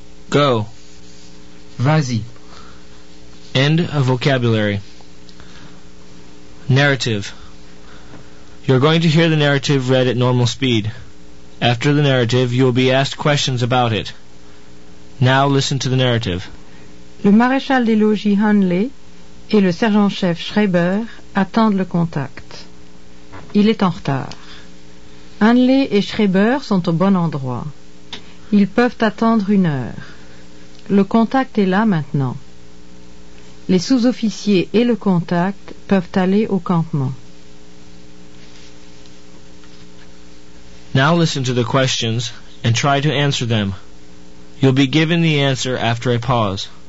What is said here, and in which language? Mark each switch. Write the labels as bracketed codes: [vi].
[en] Go. [fr] Vas-y. [en] End of vocabulary. Narrative. You're going to hear the narrative read at normal speed. After the narrative, you will be asked questions about it. Now listen to the narrative. [fr] Le maréchal des logis Hanley et le sergent-chef Schreiber attendent le contact. Il est en retard. Hanley et Schreiber sont au bon endroit. Ils peuvent attendre une heure. Le contact est là maintenant. Les sous-officiers et le contact peuvent aller au campement. [en] Now listen to the questions and try to answer them. You'll be given the answer after a pause.